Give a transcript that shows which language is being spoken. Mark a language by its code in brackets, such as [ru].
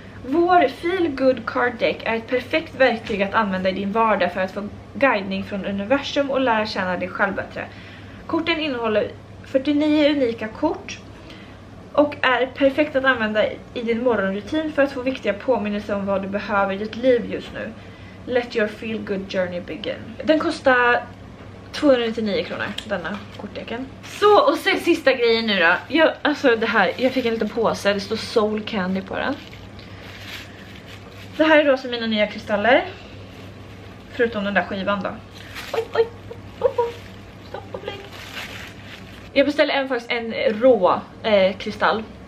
[sv] Vår feel good card deck är ett perfekt verktyg att använda i din vardag för att få guidning från universum och lära känna dig själv bättre. Korten innehåller 49 unika kort och är perfekt att använda i din morgonrutin för att få viktiga påminnelser om vad du behöver i ditt liv just nu. [en] Let your feel good journey begin. [sv] Den kostar 299 kronor, denna kortdecken. Så, och sen sista grejen nu då. Jag fick en liten påse. Det står soul candy på den. Det här är då som mina nya kristaller. Förutom den där skivan då. Oj, oj, oj, oj. Stopp och blink. Jag beställde en rå kristall.